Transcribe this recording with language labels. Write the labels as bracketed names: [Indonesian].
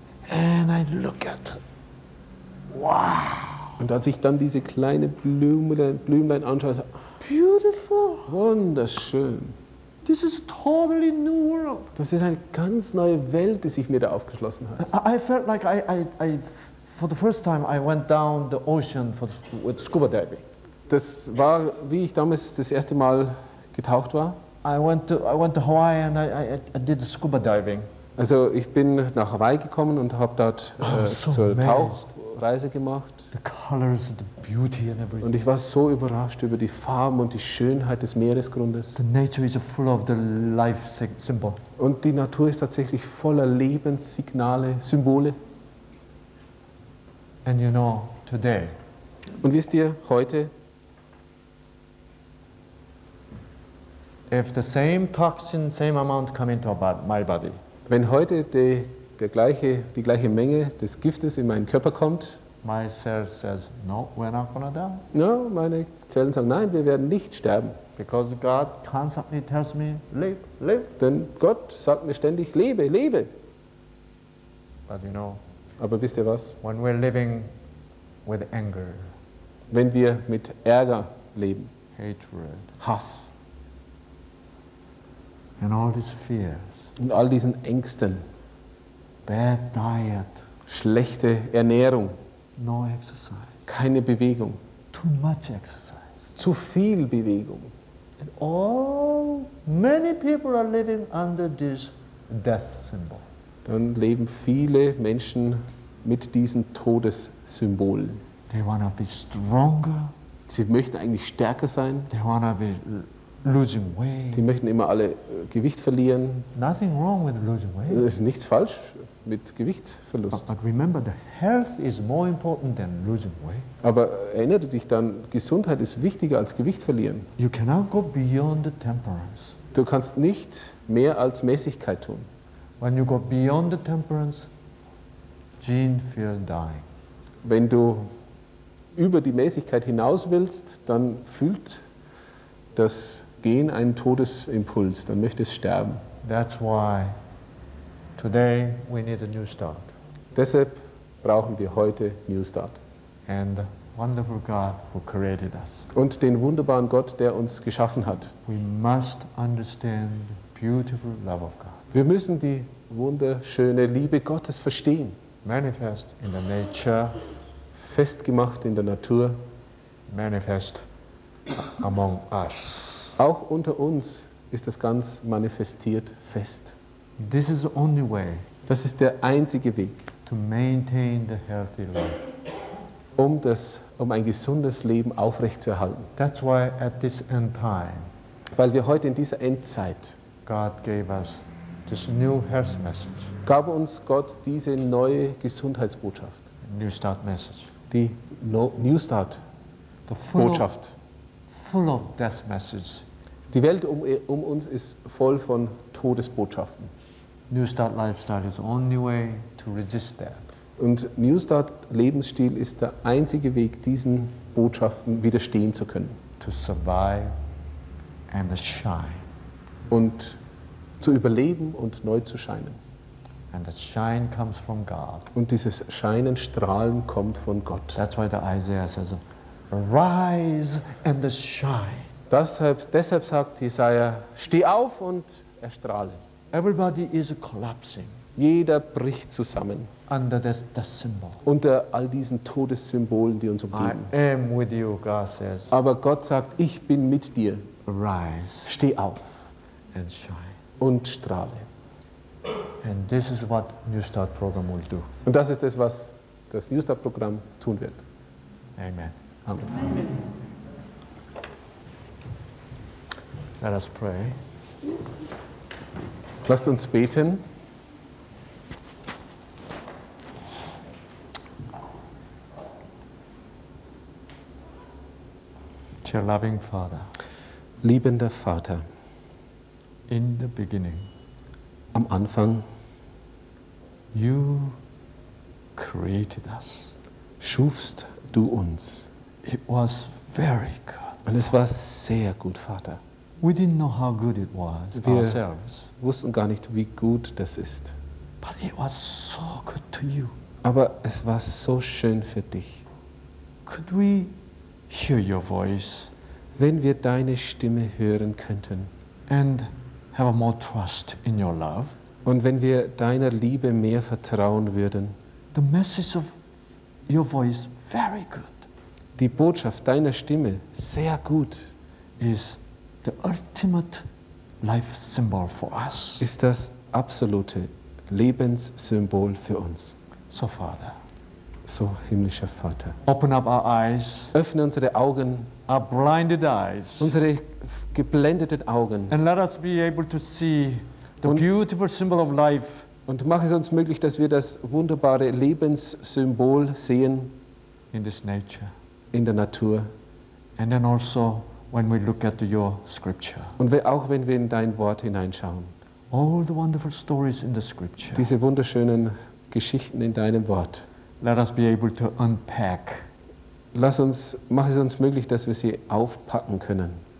[English] And I look at. Wow. [German] Und als ich dann diese kleine Blümlein anschaue, so, [English] beautiful. [German] Wunderschön. [English] This is a totally new world. [German] Das ist eine ganz neue Welt, die sich mir da aufgeschlossen hat. [English] I felt like I for the first time I went down the ocean with scuba diving. [German] Das war, wie ich damals das erste Mal getaucht war. [English] I went to Hawaii and I did the scuba diving. [German] Also ich bin nach Hawaii gekommen und habe dort getaucht. Reise gemacht. [English] The colors and the beauty and everything. [German] Und ich war so überrascht über die Farben und die Schönheit des Meeresgrundes. [English] The nature is full of the life symbol. [German] Und die Natur ist tatsächlich voller Lebenssignale, Symbole. [English] And you know, today. [German] Und wisst ihr, heute, [English] if the same toxin, same amount come into my body. [German] Wenn heute die gleiche Menge des Giftes in meinen Körper kommt. [English] My cell says, no, we're not gonna die. [German] No, meine Zellen sagen, nein, wir werden nicht sterben. [English] Because God constantly tells me, live, live. [German] Denn Gott sagt mir ständig, lebe, lebe. [English] But you know, [German] aber wisst ihr was? [English] When we're living with anger, [German] wenn wir mit Ärger leben, [English] hatred, [German] Hass [English] and all these fears, [German] und all diesen Ängsten, [English] bad diet, [German] schlechte Ernährung, [English] no exercise, [German] keine Bewegung, [English] too much exercise, [German] zu viel Bewegung. [English] And all many people are living under this death symbol. [German] Dann leben viele Menschen mit diesen Todessymbolen. [English] They wanna be stronger. [German] Sie möchten eigentlich stärker sein. [English] They wanna be losing weight. [German] Die möchten immer alle Gewicht verlieren. [English] Nothing wrong with losing weight. [German] Es ist nichts falsch mit Gewichtsverlust. [English] But remember, the health is more important than losing weight. [German] Aber erinnere dich dann, Gesundheit ist wichtiger als Gewicht verlieren. [English] You cannot go beyond the temperance. [German] Du kannst nicht mehr als Mäßigkeit tun. [English] When you go beyond the temperance, Gene fear dying. [German] Wenn du über die Mäßigkeit hinaus willst, dann fühlt das Gen einen Todesimpuls, dann möchte es sterben. [English] That's why today we need a new start. [German] Deshalb brauchen wir heute New Start. [English] And the wonderful God who created us. [German] Und den wunderbaren Gott, der uns geschaffen hat. [English] We must understand the beautiful love of God. [German] Wir müssen die wunderschöne Liebe Gottes verstehen. [English] Manifest in the nature. [German] Festgemacht in der Natur. [English] Manifest among us. [German] Auch unter uns ist das ganz manifestiert fest. [English] This is the only way. [German] Das ist der einzige Weg. [English] To maintain the healthy life. [German] Um ein gesundes Leben aufrechtzuerhalten. [English] That's why at this end time. [German] Weil wir heute in dieser Endzeit. [English] God gave us this new health message. [German] Gab uns Gott diese neue Gesundheitsbotschaft. [English] New Start message. [German] Die New Start Botschaft. [English] Full of death message. [German] Die Welt um uns ist voll von Todesbotschaften. [English] New Start Lifestyle is the only way to resist death. [German] Und New Start Lebensstil ist der einzige Weg, diesen Botschaften widerstehen zu können. [English] To survive and to shine. [German] Und zu überleben und neu zu scheinen. [English] And the shine comes from God. [German] Und dieses Scheinen, Strahlen kommt von Gott. [English] That's why the Isaiah says, "Rise and the shine." [German] Deshalb sagt Jesaja, steh auf und erstrahle. [English] Everybody is collapsing. [German] Jeder bricht zusammen. [English] Under the symbol. [German] Unter all diesen Todessymbolen, die uns umgeben. [English] I am with you, God says. [German] Aber Gott sagt, ich bin mit dir. [English] Rise. [German] Steh auf. [English] And shine. [German] Und strahle. [English] And this is what New Start Program will do. [German] Und das ist das, was das New Start Programm tun wird. [English] Amen. [German] Amen. [English] Let us pray. [German] Lasst uns beten. [English] Dear loving Father. [German] Liebender Vater. [English] In the beginning. [German] Am Anfang. [English] You created us. [German] Schufst du uns. [English] It was very good. [German] Und es war sehr gut, Vater. [English] We didn't know how good it was ourselves. [German] Wir wussten gar nicht, wie gut das ist. [English] But it was so good to you. [German] Aber es war so schön für dich. [English] Could we hear your voice? [German] Wenn wir deine Stimme hören könnten. [English] And have more trust in your love. [German] Und wenn wir deiner Liebe mehr vertrauen würden. [English] The message of your voice, very good. [German] Die Botschaft deiner Stimme, sehr gut. [English] Is the ultimate life symbol for us. [German] Ist das absolute Lebenssymbol für uns. [English] So, Father. [German] So, himmlischer Vater. [English] Open up our eyes. [German] Öffne unsere Augen. [English] Our blinded eyes. [German] Unsere geblendeten Augen. [English] And let us be able to see the beautiful symbol of life. [German] Und mach es uns möglich, dass wir das wunderbare Lebenssymbol sehen. [English] In this nature. [German] In der Natur. [English] And then also when we look at your scripture. [German] Und auch wenn wir in dein Wort hineinschauen. [English] All the wonderful stories in the scripture. [German] Diese wunderschönen Geschichten in deinem Wort. [English] Let us be able to unpack. [German] Mach es uns möglich, dass wir sie aufpacken können.